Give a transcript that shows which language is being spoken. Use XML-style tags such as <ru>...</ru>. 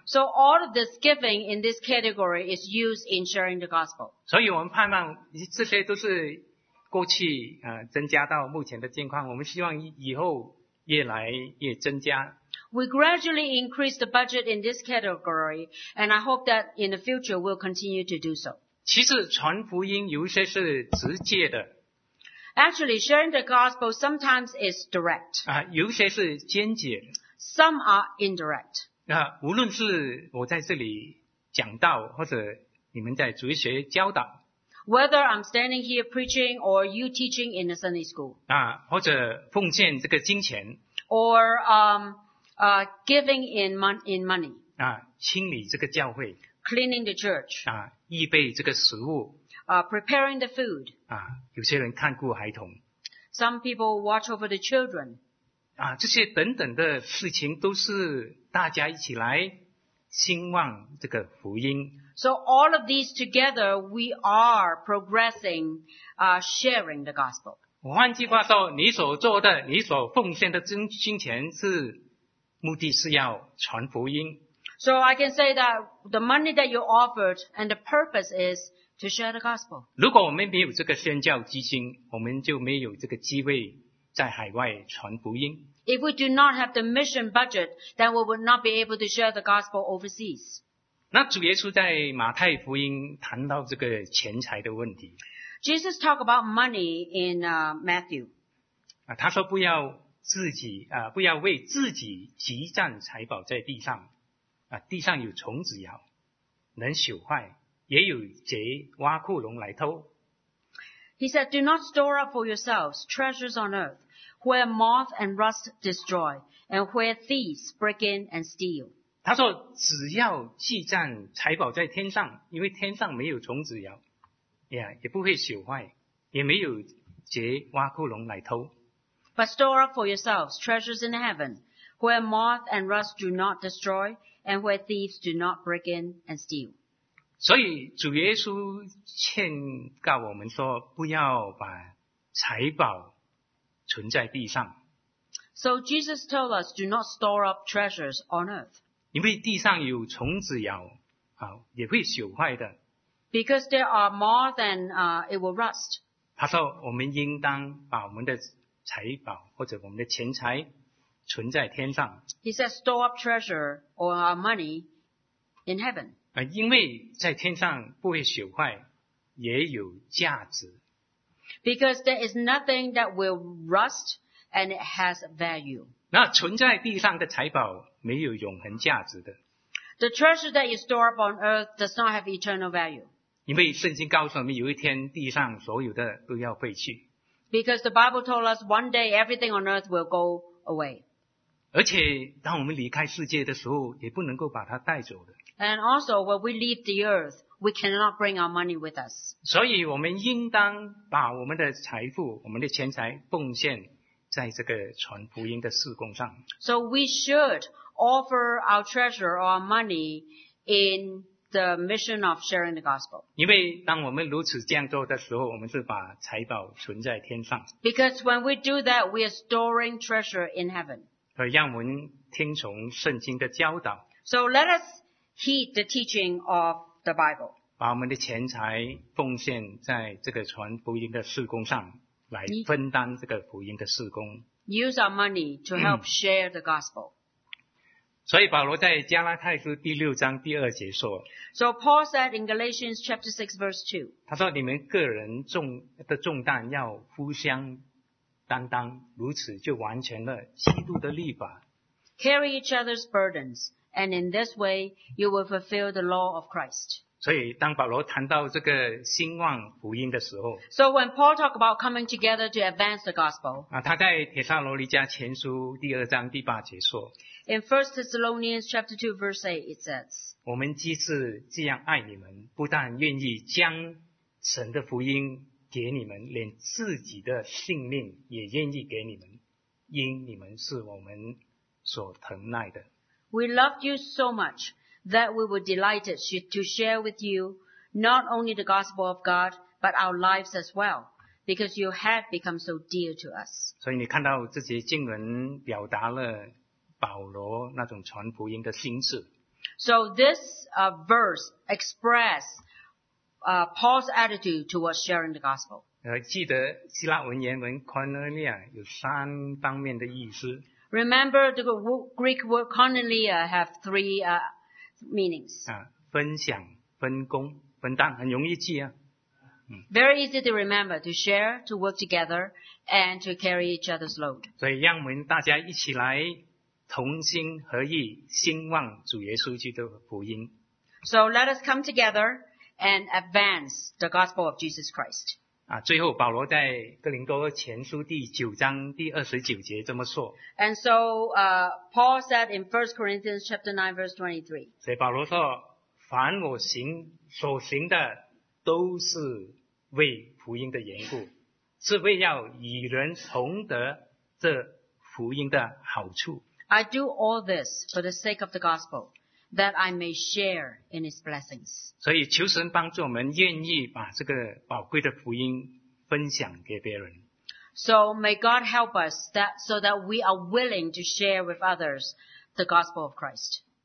<en>So all of this giving in this category is used in sharing the gospel.</en> <zh>所以我们盼望这些都是过去增加到目前的境况，我们希望以后越来越增加。</zh> <en>We gradually increase the budget in this category, and I hope that in the future we'll continue to do so.</en> <zh>其实传福音有些是直接的。</zh> <en>Actually, sharing the gospel sometimes is direct.</en> <zh>有些是间接的。</zh> <en>Some are indirect.</en> <zh>无论是我在这里讲道，或者你们在主日学教导。</zh> <en>Whether I'm standing here preaching or you teaching in a Sunday school.</en> <zh>或者奉献这个金钱。</zh> <en>Or, giving in money.</en> <zh>清理这个教会。</zh> <en>Cleaning the church.</en> <zh>预备这个食物。</zh> <en>Preparing the food.</en> <zh>有些人看顾孩童。</zh> <en>Some people watch over the children.</en> <zh>这些等等的事情都是大家一起来兴旺这个福音。</zh> <en>So all of these together, we are progressing, sharing the gospel.</en> <zh>换句话说，你所做的，你所奉献的金钱是目的是要传福音。</zh> <en>So I can say that the money that you offered and the purpose is to share the gospel.</en> <zh>如果我们没有这个宣教基金，我们就没有这个机会在海外传福音。</zh> <en>If we do not have the mission budget, then we would not be able to share the gospel overseas.</en> <zh>那主耶稣在马太福音谈到这个钱财的问题。</zh> <en>Jesus talked about money in Matthew.</en> <zh>他说不要自己不要为自己积攒财宝在地上地上有虫子咬能朽坏也有贼挖窟窿来偷。</zh> <en>He said, do not store up for yourselves treasures on earth, where moth and rust destroy, and where thieves break in and steal.</en> <zh>他说只要积攒财宝在天上因为天上没有虫子咬。也不会朽坏，也没有劫挖窟窿来偷。</zh> <en>But store up for yourselves treasures in heaven, where moth and rust do not destroy, and where thieves do not break in and steal.</en> <zh>所以主耶稣劝告我们说，不要把财宝存在地上。</zh> <en>So Jesus told us, do not store up treasures on earth.</en> <zh>因为地上有虫子咬，啊，也会朽坏的。</zh> <en>Because there are more than, it will rust.</en> <zh>他说我们应当把我们的财宝或者我们的钱财存在天上。</zh> <en>He says, store up treasure or our money in heaven.</en> <zh>因为在天上不会朽坏，也有价值。</zh> <en>Because there is nothing that will rust and it has value.</en> <zh>那存在地上的财宝没有永恒价值的。</zh> <en>The treasure that you store up on earth does not have eternal value.</en> <zh>因为圣经告诉我们有一天地上所有的都要废去。</zh> <en>Because the Bible told us one day everything on earth will go away.</en> <zh>而且当我们离开世界的时候也不能够把它带走的。</zh> <en>And also when we leave the earth, we cannot bring our money with us.</en> <zh>所以我们应当把我们的财富我们的钱财奉献在这个传福音的事工上。</zh> <en>So we should offer our treasure or our money in the mission of sharing the gospel.</en> <zh>因为当我们如此这样做的时候，我们是把财宝存在天上。</zh> <en>Because when we do that, we are storing treasure in heaven.</en> <zh>而让我们听从圣经的教导。</zh> <en>So let us heed the teaching of the Bible.</en> <zh>把我们的钱财奉献在这个传福音的事工上。来分担这个福音的事工。</zh> <en>Use our money to help share the gospel.</en> <zh>所以保罗在加拉太书第六章第二节说。</zh> <en>So Paul said in Galatians chapter 6 verse 2.</en> <zh>他说你们个人的重担要互相担当，如此就完全了基督的律法。</zh> <en>Carry each other's burdens, and in this way you will fulfill the law of Christ.</en> <zh>所以当保罗谈到这个兴旺福音的时候。</zh> <en>So when Paul talked about coming together to advance the gospel.</en> <zh>他在帖撒罗尼迦前书第二章第八节说。</zh> <en>In 1 Thessalonians chapter 2 verse 8 it says.</en> <zh>我们既是这样爱你们，不但愿意将神的福音给你们，连自己的性命也愿意给你们，因你们是我们所疼爱的。</zh> <en>We loved you so much that we were delighted to share with you not only the gospel of God, but our lives as well, because you had become so dear to us.</en> <zh>所以你看到这些经文表达了保罗那种传福音的心志。</zh> <en>So this verse expressed Paul's attitude towards sharing the gospel.</en> <zh>记得希腊文原文 koinonia 有三方面的意思。</zh> <en>Remember the Greek word koinonia have three meanings.</en> <zh>分享分工分担很容易记啊。</zh> <en>Very easy to remember, to share, to work together, and to carry each other's load.</en> <zh>所以让我们大家一起来同心合意兴旺主耶稣基督的福音。</zh> <en>So let us come together and advance the gospel of Jesus Christ.</en> <zh>最后保罗在哥林多前书第九章第二十九节这么说。</zh> <en>And so, Paul said in 1 Corinthians chapter 9 verse 23.</en> <zh>所以保罗说凡我行所行的都是为福音的缘故，是为要与人同得这福音的好处。</zh> <en>I do all this for the sake of the gospel, that I may share in its blessings.</en> <zh>所以求神帮助我们愿意把这个宝贵的福音分享给别人。</zh> <en>So may God help us that, so that we are willing to share with others the gospel of Christ.</en>